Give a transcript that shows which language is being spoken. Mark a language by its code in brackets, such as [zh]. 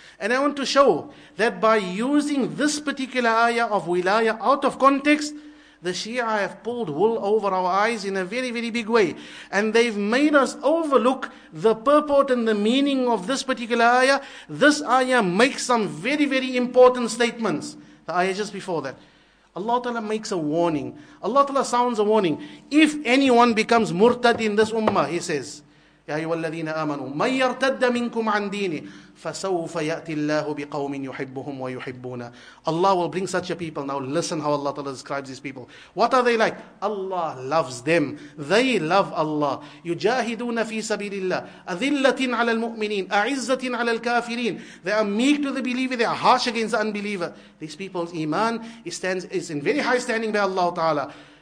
[en] And I want to show that by using this particular ayah of wilayah out of context, the Shia have pulled wool over our eyes in a very, very big way. And they've made us overlook the purport and the meaning of this particular ayah. This ayah makes some very, very important statements. The ayah just before that. Allah Ta'ala makes a warning. Allah Ta'ala sounds a warning. If anyone becomes murtad in this ummah, He says, [ar] يَا أَيُّهَا الَّذِينَ آمَنُوا مَنْ يَرْتَدَّ مِنْكُمْ عَنْ دِينِهِ فَسَوْفَ يَأْتِ اللَّهُ بِقَوْمٍ يُحِبُّهُمْ وَيُحِبُّونَ. [en] Allah will bring such a people. Now listen how Allah Ta'ala describes these people. What are they like? Allah loves them. They love Allah. [ar] يُجَاهِدُونَ فِي سَبِيلِ اللَّهِ أَذِلَّةٍ عَلَى الْمُؤْمِنِينَ أَعِزَّةٍ عَلَى الْكَافِرِينَ. [en] They are meek to the believer. They are harsh against the unbeliever. These people's iman is in very high standing by Allah Ta'ala.